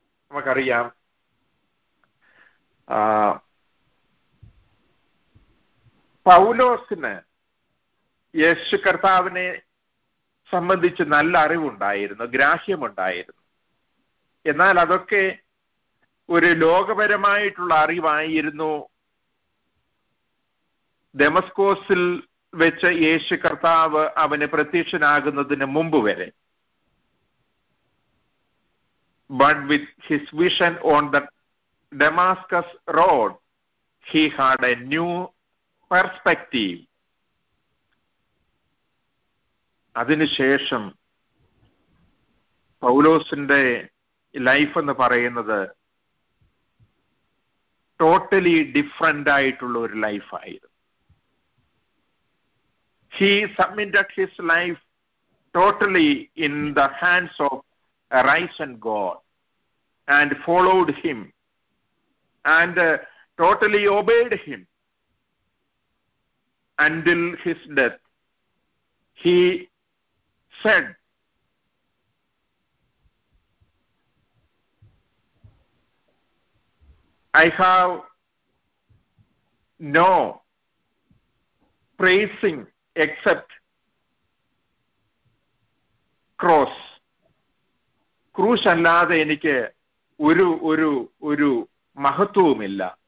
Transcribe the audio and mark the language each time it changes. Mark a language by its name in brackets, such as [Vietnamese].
[Malayalam] നമുക്കറിയാം പൗലോസിന് യേശു കർത്താവിനെ സംബന്ധിച്ച് നല്ല അറിവുണ്ടായിരുന്നു, ഗ്രാഹ്യമുണ്ടായിരുന്നു. എന്നാൽ അതൊക്കെ ഒരു ലോകപരമായിട്ടുള്ള അറിവായിരുന്നു. ദമസ്കോസിൽ വെച്ച് യേശു കർത്താവ് അവന് പ്രത്യക്ഷനാകുന്നതിന് മുമ്പ് വരെ [English] but with his vision on the Damascus road, he had a new perspective. [Malayalam] അതിനുശേഷം പൗലോസിന്റെ ലൈഫ് എന്ന് പറയുന്നത് ടോട്ടലി ഡിഫറൻ്റ് ആയിട്ടുള്ള ഒരു ലൈഫായിരുന്നു. [English] He submitted his life totally in the hands of risen God and followed him and totally obeyed him until his death. He said I have no praising except cross. [Malayalam] ക്രൂശ് അല്ലാതെ എനിക്ക് ഒരു ഒരു ഒരു മഹത്വവുമില്ല.